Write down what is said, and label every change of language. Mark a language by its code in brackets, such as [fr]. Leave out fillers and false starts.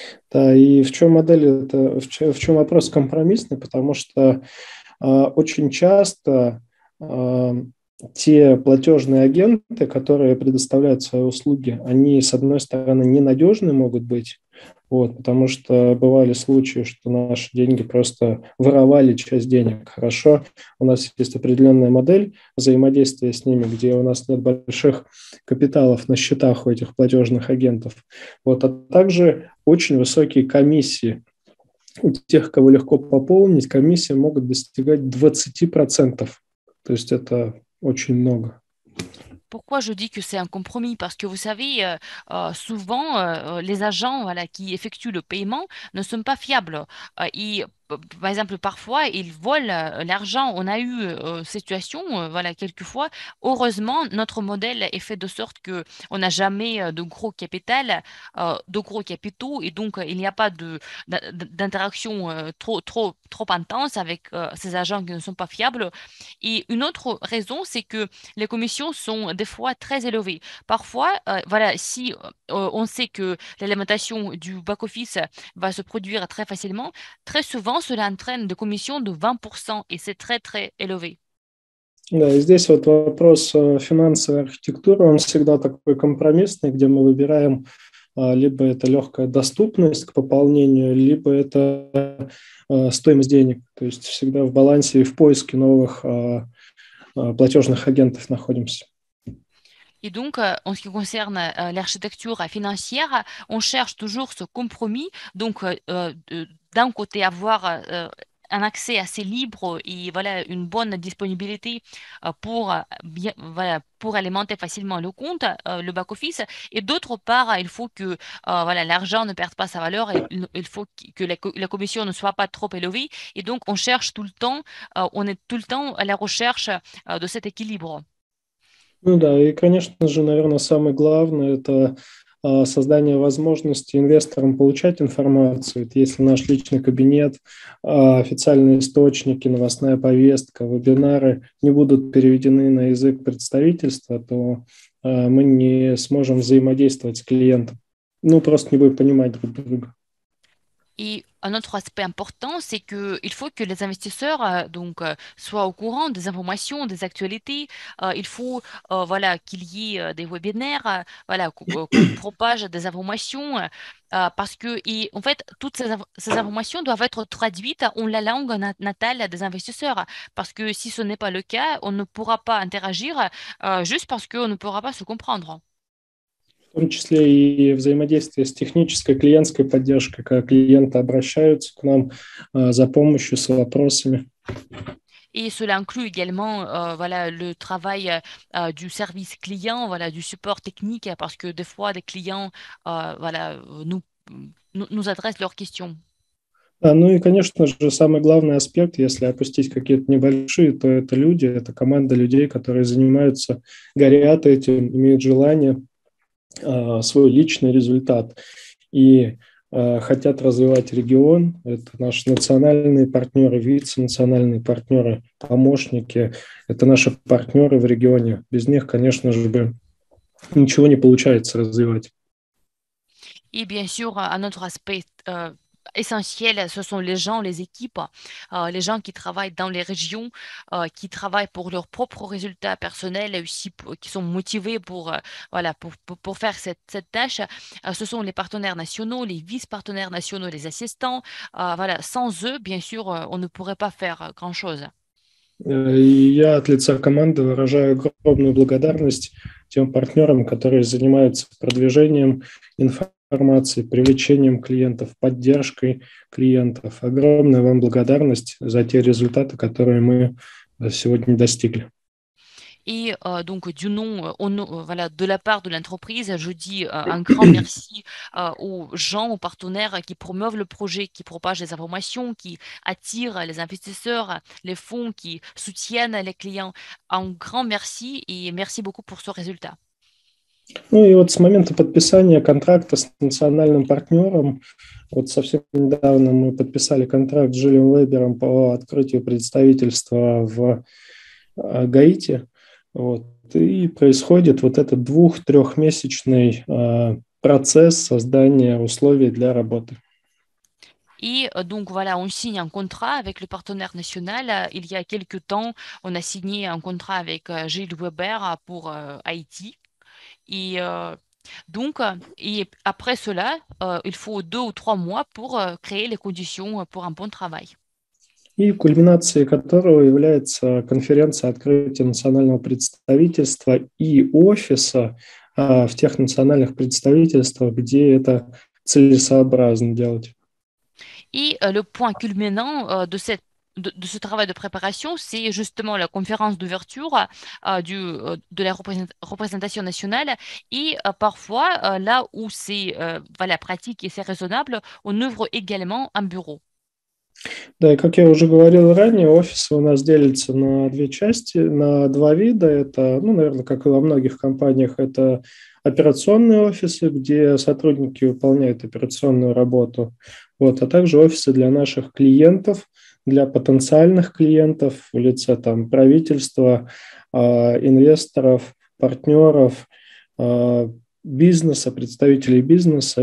[ru] Да, и в чем модель, это, в чем вопрос компромиссный, потому что очень часто те платежные агенты, которые предоставляют свои услуги, они, с одной стороны, ненадежны могут быть, вот, потому что бывали случаи, что наши деньги просто воровали часть денег. Хорошо, у нас есть определенная модель взаимодействия с ними, где у нас нет больших капиталов на счетах у этих платежных агентов. Вот, а также очень высокие комиссии. У тех, кого легко пополнить, комиссии могут достигать 20%. То есть это очень много. [fr] Pourquoi je dis que c'est un compromis? Parce que vous savez, souvent, les agents voilà, qui effectuent le paiement ne sont pas fiables. Et, par exemple, parfois, ils volent l'argent. On a eu cette situation voilà, quelquefois. Heureusement, notre modèle est fait de sorte qu'on n'a jamais de gros capital, de gros capitaux, et donc il n'y a pas d'interaction trop intense avec ces agents qui ne sont pas fiables. Et une autre raison, c'est que les commissions sont des fois très élevées. Parfois, voilà, si on sait que l'alimentation du back-office va se produire très facilement, très souvent, cela entraîne des commissions de 20% et c'est très très élevé. [ru] Да, и здесь вот вопрос финансовой архитектуры, он всегда такой компромиссный, где мы выбираем либо это легкая доступность к пополнению, либо это стоимость денег. То есть всегда в балансе и в поиске новых платежных агентов находимся. [fr] Et donc, en ce qui concerne l'architecture financière, on cherche toujours ce compromis. Donc, d'un côté, avoir un accès assez libre et voilà, une bonne disponibilité pour, bien, voilà, pour alimenter facilement le compte, le back-office. Et d'autre part, il faut que voilà, l'argent ne perde pas sa valeur. Et il faut que la commission ne soit pas trop élevée. Et donc, on cherche tout le temps, on est tout le temps à la recherche de cet équilibre. [ru] Ну да, и, конечно же, наверное, самое главное – это создание возможности инвесторам получать информацию. Это если наш личный кабинет, официальные источники, новостная повестка, вебинары не будут переведены на язык представительства, то мы не сможем взаимодействовать с клиентом. Ну, просто не будем понимать друг друга. И [fr] Un autre aspect important, c'est qu'il faut que les investisseurs donc, soient au courant des informations, des actualités. Il faut voilà, qu'il y ait des webinaires, voilà, qu'on propage des informations. Parce que, et en fait, toutes ces informations doivent être traduites en la langue natale des investisseurs. Parce que si ce n'est pas le cas, on ne pourra pas interagir juste parce qu'on ne pourra pas se comprendre. [ru] В том числе и взаимодействие с технической клиентской поддержкой, когда клиенты обращаются к нам за помощью, с вопросами. [fr] Et cela inclut également voilà, le travail du service client, voilà, du support technique, parce que des fois, des clients voilà, nous adressent leurs questions. [ru] Да, ну и, конечно же, самый главный аспект, если опустить какие-то небольшие, то это люди, это команда людей, которые занимаются, горят этим, имеют желание. Свой личный результат и хотят развивать регион. Это наши национальные партнеры, вице-национальные партнеры, помощники. Это наши партнеры в регионе. Без них, конечно же, бы ничего не получается развивать. [fr] Et bien sûr, un autre aspect essentiel, ce sont les gens, les équipes, les gens qui travaillent dans les régions, qui travaillent pour leurs propres résultats personnels et aussi qui sont motivés pour, voilà, pour faire cette tâche. Ce sont les partenaires nationaux, les vice-partenaires nationaux, les assistants. Voilà, sans eux, bien sûr, on ne pourrait pas faire grand-chose. [ru] Я от лица команды выражаю огромную благодарность тем партнерам, которые занимаются продвижением информации, привлечением клиентов, поддержкой клиентов. Огромная вам благодарность за те результаты, которые мы сегодня достигли. [fr] Et donc, du nom, voilà, de la part de l'entreprise, je dis un grand merci aux gens, aux partenaires qui promeuvent le projet, qui propagent les informations, qui attirent les investisseurs, les fonds, qui soutiennent les clients. Un grand merci et merci beaucoup pour ce résultat. [ru] Ну и вот с момента подписания контракта с национальным партнером, вот совсем недавно мы подписали контракт с Джулием Лейбером по открытию представительства в Гаити, вот, и происходит вот этот двух-трехмесячный процесс создания условий для работы. [fr] Et donc voilà, on signe un contrat avec le partenaire national. Il y a quelque temps, on a signé un contrat avec Gilles Weber pour Haïti. Et donc, et après cela, il faut 2 ou 3 mois pour créer les conditions pour un bon travail. [ru] И кульминацией которого является конференция открытия национального представительства и офиса в тех национальных представительствах, где это целесообразно делать. И [fr] le point culminant de cette de ce travail de préparation, c'est justement la conférence d'ouverture de la représentation nationale. Et parfois, là où c'est voilà, pratique et c'est raisonnable, on ouvre également un bureau. [ru] Да, и как я уже говорил ранее, офисы у нас делятся на две части, на два вида. Это, ну, наверное, как и во многих компаниях, это операционные офисы, где сотрудники выполняют операционную работу. Вот, а также офисы для наших клиентов, для потенциальных клиентов в лице там, правительства, инвесторов, партнеров, бизнеса, представителей бизнеса.